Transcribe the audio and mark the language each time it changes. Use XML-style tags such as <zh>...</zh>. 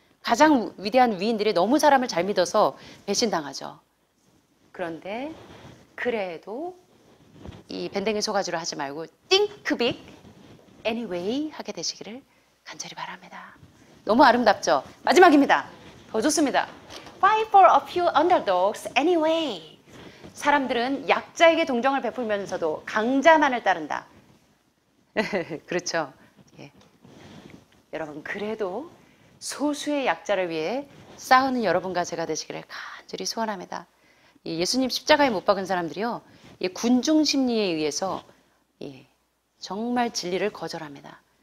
<ko>가장 위대한 위인들이 너무 사람을 잘 믿어서 배신당하죠. 그런데 그래도 이 밴댕이 소가지로 하지 말고</ko> <en>Think big anyway</en> <ko>하게 되시기를 간절히 바랍니다. 너무 아름답죠? 마지막입니다. 더 좋습니다.</ko> <en>Fight for a few underdogs anyway.</en> <ko>사람들은 약자에게 동정을 베풀면서도 강자만을 따른다. 그렇죠. 예. 여러분 그래도 소수의 약자를 위해 싸우는 여러분과 제가 되시기를 간절히 소원합니다. 예수님 십자가에 못 박은 사람들이요, 이 군중 심리에 의해서 정말 진리를 거절합니다.</ko>